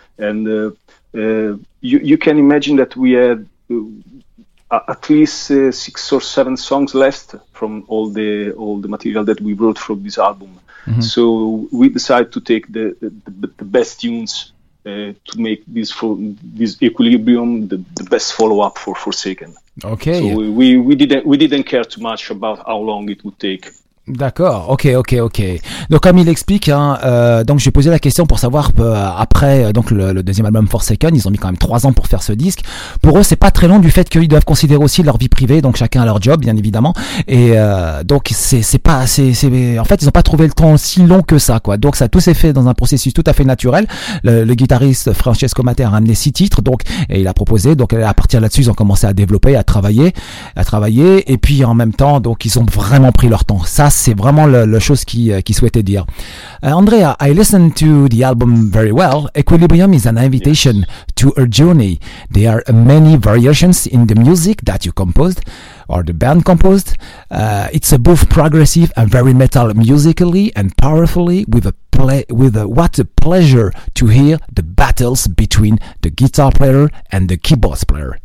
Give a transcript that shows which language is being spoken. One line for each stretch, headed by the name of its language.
English: And you can imagine that we had at least 6 or 7 songs left from all the material that we wrote from this album. Mm-hmm. So we decided to take the best tunes to make this Equilibrium the best follow-up for Forsaken. Okay. So we didn't care too much about how long it would take.
French: D'accord, ok. Donc comme il explique, donc j'ai posé la question pour savoir après donc le deuxième album Forsaken, ils ont mis quand même 3 ans pour faire ce disque. Pour eux, c'est pas très long du fait qu'ils doivent considérer aussi leur vie privée, donc chacun a leur job bien évidemment. Et donc c'est pas, en fait ils ont pas trouvé le temps si long que ça quoi. Donc ça tout s'est fait dans un processus tout à fait naturel. Le guitariste Francesco Mattei a ramené 6 titres donc et il a proposé. Donc à partir là-dessus, ils ont commencé à développer, à travailler. Et puis en même temps, donc ils ont vraiment pris leur temps. Ça, c'est vraiment le chose qui souhaitait dire.
English: Andrea, I listened to the album very well. Equilibrium is an invitation to a journey. There are many variations in the music that you composed or the band composed. It's a both progressive and very metal musically and powerfully what a pleasure to hear the battles between the guitar player and the keyboard player.